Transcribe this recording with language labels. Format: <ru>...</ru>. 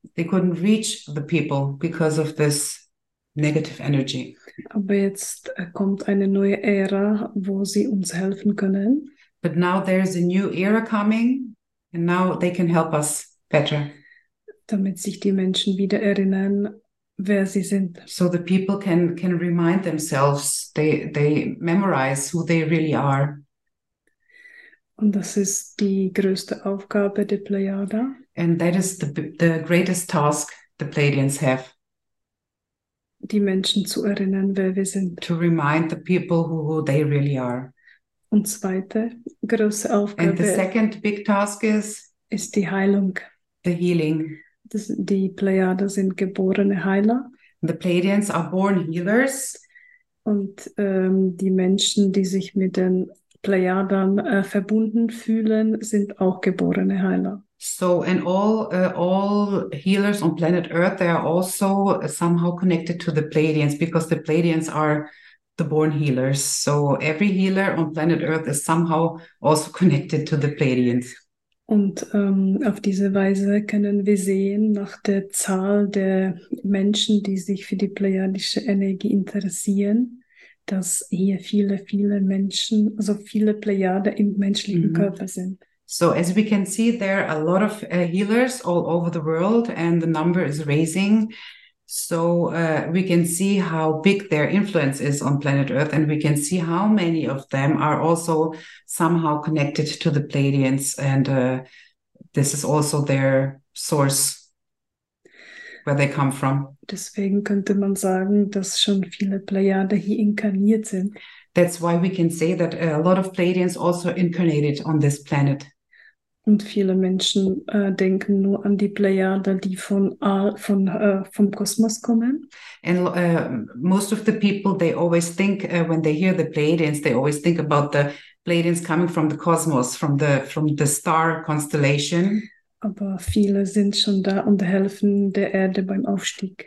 <en>they couldn't reach the people because of this negative energy.</en> <de>Aber jetzt kommt eine neue Ära, wo sie uns helfen können.</de> <en>But now there's a new era coming, and now they can help us better.</en> <de>Damit sich die Menschen wieder erinnern, wer sie sind.</de> <en>So the people can remind themselves, they memorize who they really are.</en> <de>Und das ist die größte Aufgabe der Pleiade.</de> <en>And that is the greatest task the Pleiadians have.</en> <de>Die Menschen zu erinnern, wer wir sind.</de> <en>To remind the people who they really are.</en> <de>Und zweite große Aufgabe.</de> <en>And the second big task is</en> <de>die Heilung.</de> <en>The healing.</en> <de>Die Pleiaden sind geborene Heiler.</de> <en>The Pleiadians are born healers.</en> <de>Und die Menschen, die sich mit den Pleiaden verbunden fühlen, sind auch geborene Heiler.</de> <en>So, and all healers on planet Earth, they are also somehow connected to the Pleiadians, because the Pleiadians are the born healers. So every healer on planet Earth is somehow also connected to the Pleiadians.</en> <de>Und auf diese Weise können wir sehen, nach der Zahl der Menschen, die sich für die pleiadische Energie interessieren, dass hier viele, viele Menschen, also viele Pleiaden im menschlichen mm-hmm. Körper sind.</de> <en>So as we can see, there are a lot of healers all over the world, and the number is raising. So we can see how big their influence is on planet Earth, and we can see how many of them are also somehow connected to the Pleiadians, and this is also their source, where they come from.</en> <de>Deswegen könnte man sagen, dass schon viele Pleiaden hier inkarniert sind.</de> <en>That's why we can say that a lot of Pleiadians also incarnated on this planet.</en> <de>Und viele Menschen denken nur an die Pleiaden, die vom Kosmos kommen.</de> <en>And most of the people, they always think, when they hear the Pleiadians, they always think about the Pleiadians coming from the cosmos, from the star constellation.</en> <de>Aber viele sind schon da und helfen der Erde beim Aufstieg.</de>